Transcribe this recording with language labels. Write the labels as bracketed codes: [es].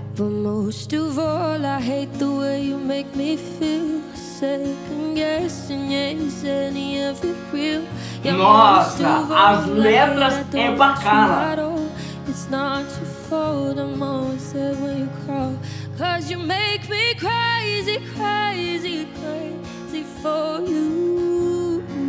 [en] But most of all, I hate the way you make me feel. Second guessing, is any of it real? [pt] Nossa, as letras é bacana. [en] It's not your fault, I'm always there when you call. Cause you make me crazy, crazy, crazy for you.